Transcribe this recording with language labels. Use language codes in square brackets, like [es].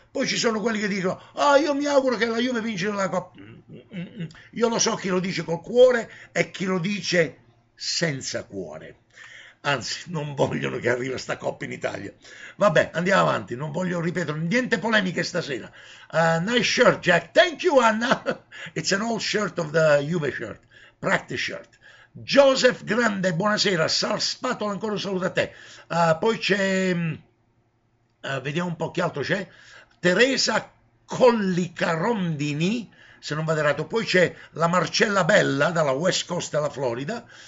[it] Poi ci sono quelli che dicono: ah, io mi auguro che la Juve vinca la coppa. Io lo so chi lo dice col cuore e chi lo dice senza cuore. Anzi, non vogliono che arrivi sta coppa in Italia. Vabbè, andiamo avanti, non voglio ripetere niente polemiche stasera. [en] Nice shirt, Jack. Thank you, Anna. It's an old shirt of the Juve shirt, practice shirt. [it] Joseph Grande, buonasera. Sal Spatola, ancora un saluto a te. Poi c'è, vediamo un po' chi altro c'è. Teresa Collica Rondini, se non vado errato. Poi c'è la Marcella Bella dalla West Coast della Florida.